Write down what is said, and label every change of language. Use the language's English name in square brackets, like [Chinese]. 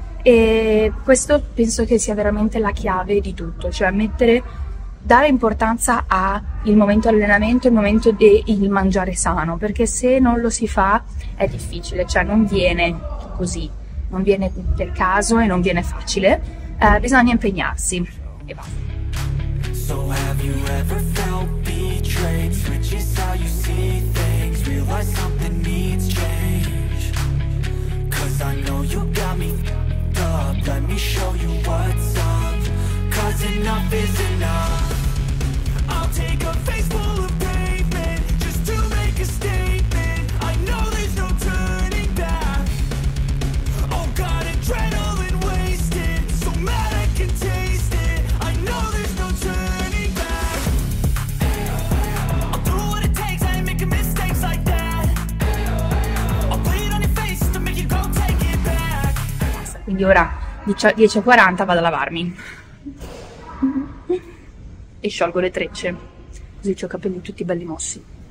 [Italian] E questo penso che sia veramente la chiave di tutto, cioè mettere. Dare importanza al momento allenamento, il momento del mangiare sano, perché se non lo si fa è difficile, cioè non viene così, non viene per caso e non viene facile, bisogna impegnarsi e basta. [English] So have you ever felt betrayed? Switches how you see things, realize something needs change. Cause I know you got me fucked up, let me show you what's up. Cause enough is enough. I'll take a face full of pavement just to make a statement. I know there's no turning back. Oh God, adrenaline wasted, so mad I can taste it. I know there's no turning back. I'll do what it takes, I ain't making mistakes like that. I'll bleed on your face to make you go take it back. [Italian] Quindi ora 10:40 vado a lavarmi. E sciolgo le trecce, così ho i capelli tutti belli mossi.